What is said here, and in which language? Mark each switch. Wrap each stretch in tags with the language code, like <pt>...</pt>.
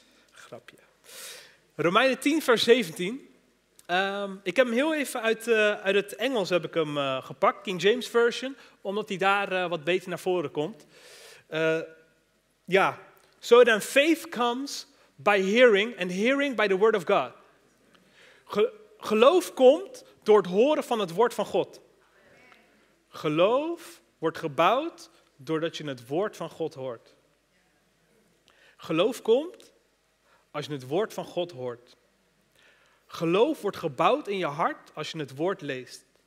<nl>Grapje. Romeinen 10 vers 17. Ik heb hem heel even uit het Engels heb ik hem gepakt. King James Version. Omdat hij daar wat beter naar voren komt. Ja.</nl> <en>So then faith comes by hearing and hearing by the word of God.</en> <nl>Geloof komt door het horen van het woord van God. Geloof wordt gebouwd doordat je het woord van God hoort. Geloof komt als je het woord van God hoort. Geloof wordt gebouwd in je hart als je het woord leest.</nl>